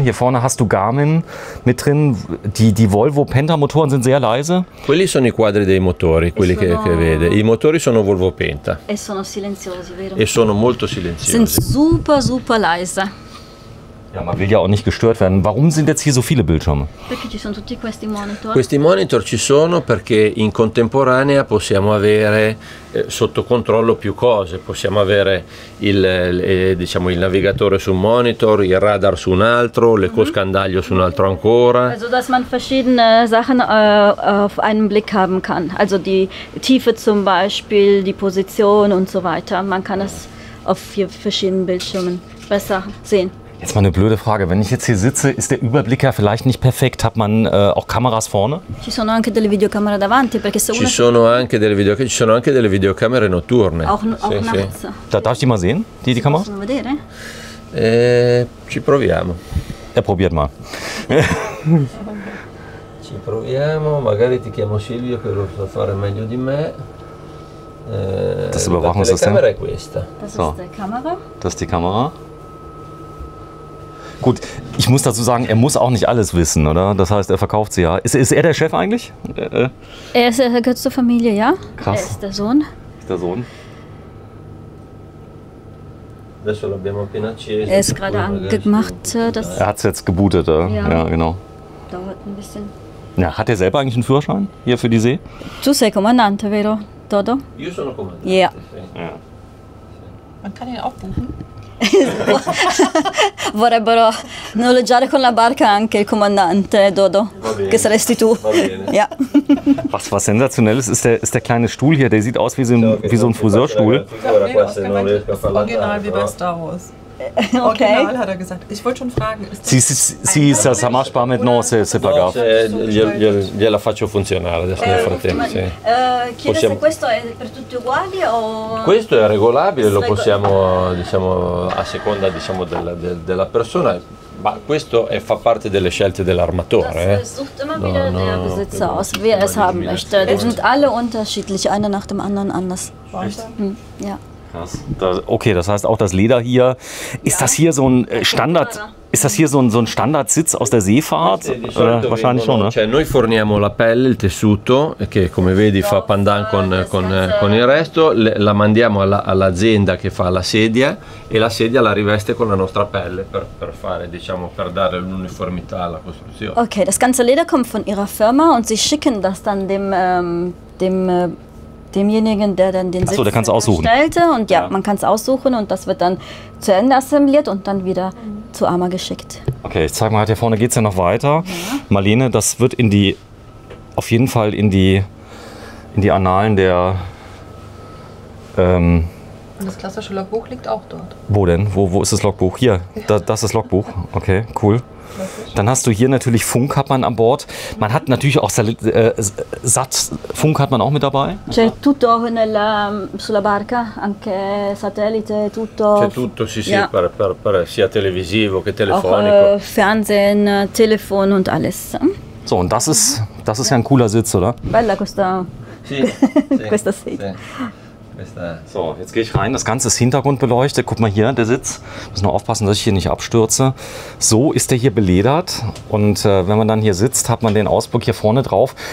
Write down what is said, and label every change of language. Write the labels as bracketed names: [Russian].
[German] Hier vorne hast du Garmin mit drin. Die Volvo Penta Motoren sind sehr leise. [Italian] Quelli sono i quadri dei motori, quelli che vede. I motori sono Volvo Penta. E sono silenziosi, vero? E sono molto silenziosi. [German] Sind super, super leise. Ja, man will ja auch nicht gestört werden. Warum sind jetzt hier so viele Bildschirme? [Italian] Perché ci sono tutti questi monitor? Questi monitor ci sono perché in contemporanea possiamo avere sotto controllo più cose. Possiamo avere il navigatore su un monitor, il radar su un altro, l'ecoscandaglio su un altro ancora. [German] Also, dass man verschiedene Sachen auf einen Blick haben kann. Also die Tiefe zum Beispiel, die Position und so weiter. Man kann es auf vier verschiedenen Bildschirmen besser sehen. Jetzt mal eine blöde Frage, wenn ich jetzt hier sitze, ist der Überblick ja vielleicht nicht perfekt, hat man auch Kameras vorne? [Italian] Ci sono anche delle videocamere davanti, perché se ci sono anche delle videocamere, ci sono anche delle videocamere notturne. [German] Auch nachts. Darf ich die mal sehen? Die Kamera? [Italian] Possono vedere? Ci proviamo. [German] Probiert mal. [Italian] Ci proviamo, magari ti chiamo Silvio che lo sa fare meglio di me. [German] Das Überwachungssystem. Die Kamera ist [Italian] questa. [German] Das ist die Kamera. Das ist die Kamera. Gut, ich muss dazu sagen, er muss auch nicht alles wissen, oder? Das heißt, er verkauft sie ja. Ist er der Chef eigentlich? Er gehört zur Familie, ja. Krass. Er ist der Sohn. Ist der Sohn. Er ist gerade angemacht. Er hat es jetzt gebootet, ja, genau. Dauert ein bisschen. Ja, hat er selber eigentlich einen Führerschein hier für die See? [Italian] Tu sei comandante, vero, Dodo? Io sono comandante. [German] Ja. Man kann ihn auch buchen. [Italian] Vorrebbero noleggiare con la barca anche il comandante Dodo, che saresti tu. [German] Ja. Was sensationell ist der kleine Stuhl hier, der sieht aus wie so ein Friseurstuhl. Original wie bei Star Wars. Okay. Original hat er gesagt. Ich wollte schon fragen. Sie ist das Samaspar mit Nose, se paga. [Italian] Gliela faccio funzionare adesso nel frattempo. Chiede se questo è per tutti uguali o. Questo è regolabile, lo possiamo, a seconda della persona. Ma questo fa parte delle scelte dell'armatore. [German] Sucht immer wieder der Besitzer aus, wie es haben möchte. Die sind alle unterschiedlich, einer nach dem anderen anders. Ja. Okay, das heißt auch das Leder hier. Ist ja. Das hier so ein Standard? Ist das hier so ein Standardsitz aus der Seefahrt? Wahrscheinlich schon, ne? [Italian] Cioè, noi forniamo la pelle, il tessuto, che come vedi fa pandan con il resto. La mandiamo all'azienda che fa la sedia e la sedia la riveste con la nostra pelle per fare, per dare l'uniformità alla costruzione. [German] Okay, das ganze Leder kommt von ihrer Firma und sie schicken das dann demjenigen, der dann den Sitz erstellte. Und ja, man kann es aussuchen und das wird dann zu Ende assembliert und dann wieder zu Arma geschickt. Okay, ich zeige mal, hier vorne geht es ja noch weiter. Ja. Marlene, das wird auf jeden Fall in die Annalen der... Und das klassische Logbuch liegt auch dort. Wo denn? Wo ist das Logbuch? Hier, das ist das Logbuch. Okay, cool. Dann hast du hier natürlich Funk hat man an Bord. Man hat natürlich auch Funk hat man auch mit dabei. [Italian] C'è tutto sulla barca, anche satellite, tutto. C'è tutto, sì, per sia televisivo che telefonico. [German] Auch Fernsehen, Telefon und alles. So, und das ist ja ein cooler Sitz, oder? [Italian] Bella questa. Questa sedia. [German] So, jetzt gehe ich rein. Das Ganze ist hintergrundbeleuchtet. Guck mal hier, der Sitz. Muss nur aufpassen, dass ich hier nicht abstürze. So ist der hier beledert. Und wenn man dann hier sitzt, hat man den Ausblick hier vorne drauf.